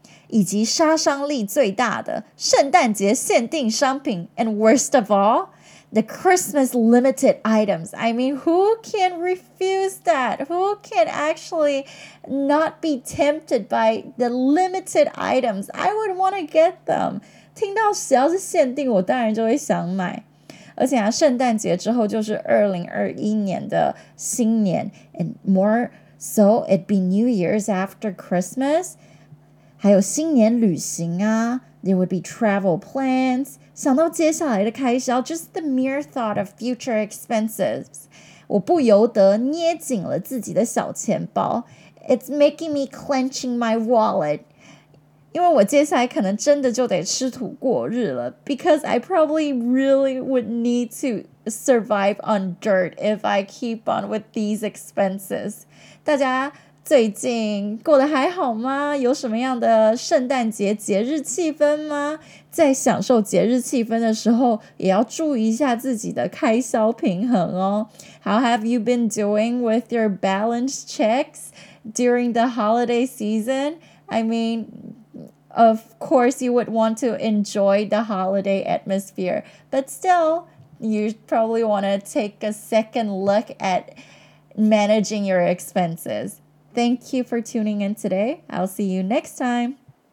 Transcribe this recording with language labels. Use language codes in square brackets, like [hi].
[zh] 以及杀伤力最大的圣诞节限定商品 [en] And worst of all, the Christmas limited items. I mean, who can refuse that? Who can actually not be tempted by the limited items? I would want to get them. [zh] 听到只要是限定我当然就会想买。而且啊，圣诞节之后就是2021年的新年 [en] And more so, it'd be New Year's after Christmas. [zh] 还有新年旅行啊 [en] There would be travel plans [zh] 想到接下来的开销 [en] Just the mere thought of future expenses [zh] 我不由得捏紧了自己的小钱包 [en] It's making me clenching my wallet [zh] 因为我接下来可能真的就得吃土过日了 [en] Because I probably really would need to survive on dirt If I keep on with these expenses [zh] 大家最近过得还好吗？有什么样的圣诞节节日气氛吗？在享受节日气氛的时候，也要注意一下自己的开销平衡哦。 [en] How have you been doing with your balance checks during the holiday season? I mean, of course you would want to enjoy the holiday atmosphere, but still, you probably want to take a second look at managing your expenses.Thank you for tuning in today. I'll see you next time.